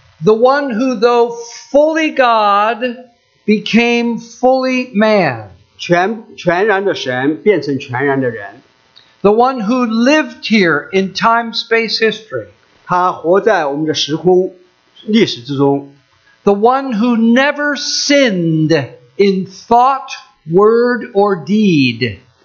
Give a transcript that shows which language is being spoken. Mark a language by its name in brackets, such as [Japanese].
[English] the one who though fully God became fully man, [Chinese] 全然的神变成全然的人, [English] the one who lived here in time-space history. [Chinese] 他活在我们的时空历史之中。 [English] The one who never sinned in thought, word, or deed.